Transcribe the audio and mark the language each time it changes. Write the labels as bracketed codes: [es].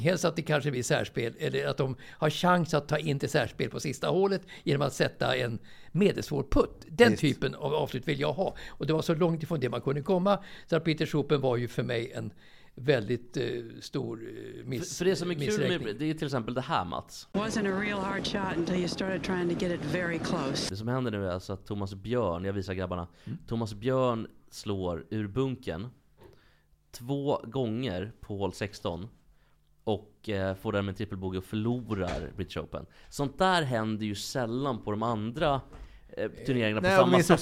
[sv] Helst att det kanske blir särspel. Eller att de har chans att ta in till särspel på sista hålet genom att sätta en medelsvår putt. Den Just. Typen av avslut vill jag ha. Och det var så långt ifrån det man kunde komma. Så att Peter Schopen var ju för mig en väldigt stor missräkning. För det som är kul med det är till exempel det här, Mats. [en] Wasn't a real hard shot until you started trying to get it very close. [sv] Det som händer nu är alltså att Thomas Björn, jag visar grabbarna, Thomas Björn slår ur bunken två gånger på hål 16 och får därmed en triple bogey och förlorar British Open. Sånt där händer ju sällan på de andra turneringarna på samma sätt.